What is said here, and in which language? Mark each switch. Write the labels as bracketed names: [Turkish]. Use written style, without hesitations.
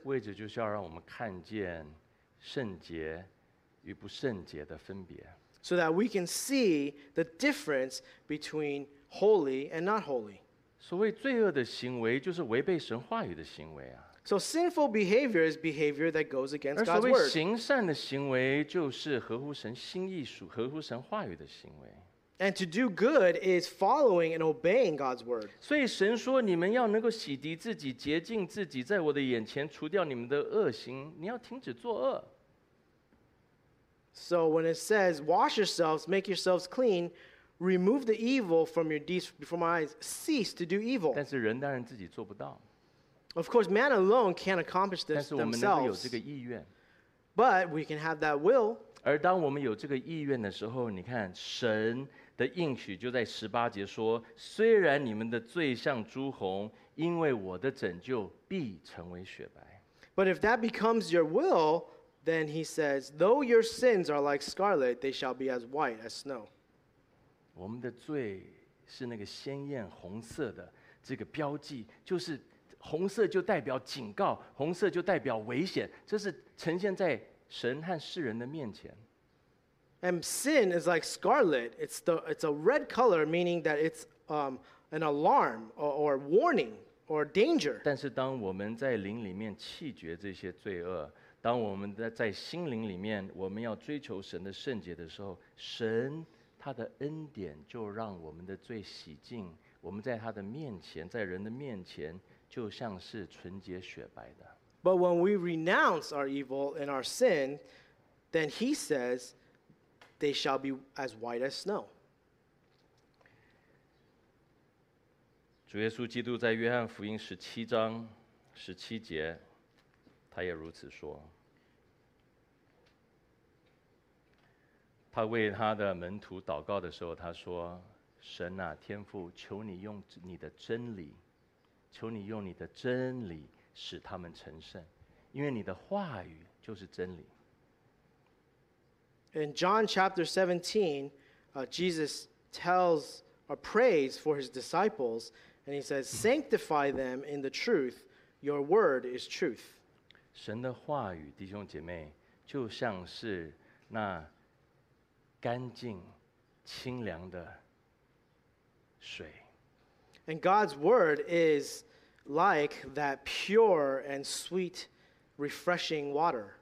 [Chinese] 为着就是要让我们看见圣洁与不圣洁的分别。 [English] So that we can see the difference between holy and not holy. [Chinese] 所谓罪恶的行为就是违背神话语的行为啊。 [English] So sinful behavior is behavior that goes against God's word. [Chinese] 而所谓行善的行为就是合乎神心意、合乎神话语的行为。 [English] And to do good is following and obeying God's word. [Chinese] 所以神说你们要能够洗涤自己洁净自己在我的眼前除掉你们的恶行你要停止作恶。 [English] So when it says wash yourselves, make yourselves clean, remove the evil from your deeds before my eyes, cease to do evil. [Chinese] 但是人当然自己做不到。 [English] Of course, man alone can't accomplish this themselves. [Chinese] 但是我们能够有这个意愿。 [English] But we can have that will. [Chinese] 而当我们有这个意愿的时候你看神的应许就在十八节说：“虽然你们的罪像朱红，因为我的拯救必成为雪白。” [English] But if that becomes your will, then he says, "Though your sins are like scarlet, they shall be as white as snow." [Chinese] 我们的罪是那个鲜艳红色的这个标记，就是红色就代表警告，红色就代表危险，这是呈现在神和世人的面前。 [English] And sin is like scarlet. It's a red color, meaning that it's an alarm or warning or danger. [Chinese] 但是当我们在灵里面弃绝这些罪恶，当我们在心灵里面我们要追求神的圣洁的时候，神他的恩典就让我们的罪洗净，我们在他的面前，在人的面前，就像是纯洁雪白的。 [English] But when we renounce our evil and our sin, then he says. They shall be as white as snow. [Chinese] 主耶稣基督在约翰福音十七章十七节，他也如此说。他为他的门徒祷告的时候，他说：“神啊，天父，求你用你的真理，求你用你的真理使他们成圣，因为你的话语就是真理。” [English] In John chapter 17, Jesus tells or prays for his disciples, and he says, Sanctify them in the truth. Your word is truth. [Chinese] 神的话语，弟兄姐妹，就像是那干净、清凉的水。 [English] And God's word is like that pure and sweet, refreshing water.